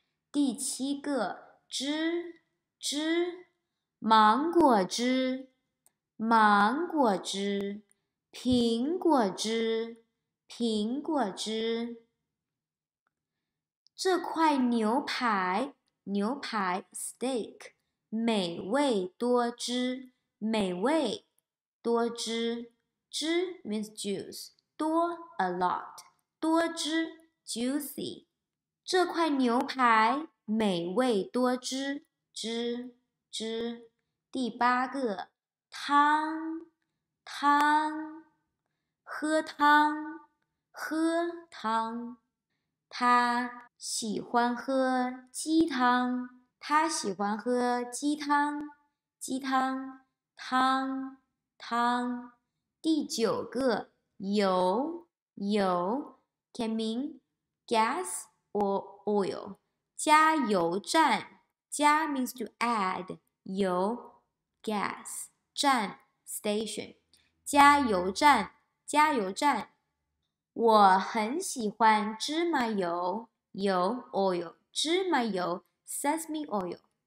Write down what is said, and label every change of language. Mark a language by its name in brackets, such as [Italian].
[Chinese] 第七个，汁，汁，芒果汁，芒果汁。苹果汁，苹果汁。这块牛排，牛排 steak， 美味多汁，美味多汁。 [English] 汁 means juice， 多 a lot， 多汁 juicy。 [Chinese] 这块牛排美味多汁，汁汁。第八个，汤，汤。喝汤，喝汤。他喜欢喝鸡汤，他喜欢喝鸡汤，鸡汤，汤，汤。 [English] 第九个，油，油 can mean gas or oil， 加油站，加 means to add， 油 ，gas， 站 ，station， 加油站。 [Chinese] 加油站，我很喜欢芝麻油，油 oil， 芝麻油 [English] sesame oil。